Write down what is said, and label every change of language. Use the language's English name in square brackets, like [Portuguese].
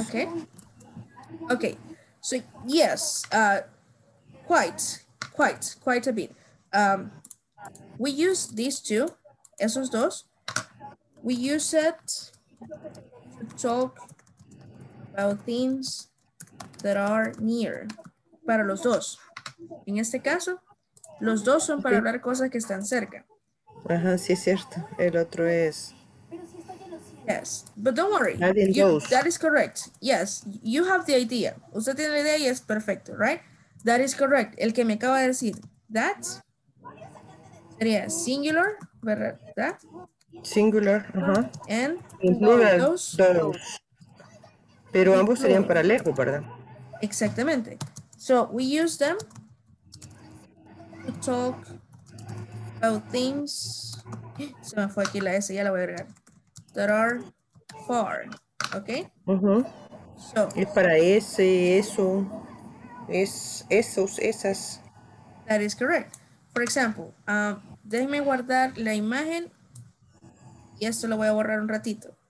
[English] Okay. Okay. So, yes, quite a bit. We use these two, [Spanish] esos dos. [English] We use it to talk about things that are near. [Spanish] Para los dos. En este caso, los dos son para hablar cosas que están cerca. Ajá, sí es cierto. El otro es. [English] Yes, but don't worry. That is correct. Yes, you have the idea. [Spanish] Usted tiene la idea y es perfecto, right? [English] That is correct. [Spanish] El que me acaba de decir. That sería singular, ¿verdad? Singular. [English] And [Spanish] plural, dos. Pero ambos serían para lejos, ¿verdad? Exactamente. [English] So we use them to talk about things. [Spanish] Se me fue aquí la S, ya la voy a agregar. [English] That are far. ¿Ok? [Spanish] So, es para ese, eso. Es esos, esas. [English] That is correct. For example, [Spanish] déjenme guardar la imagen y esto lo voy a borrar un ratito.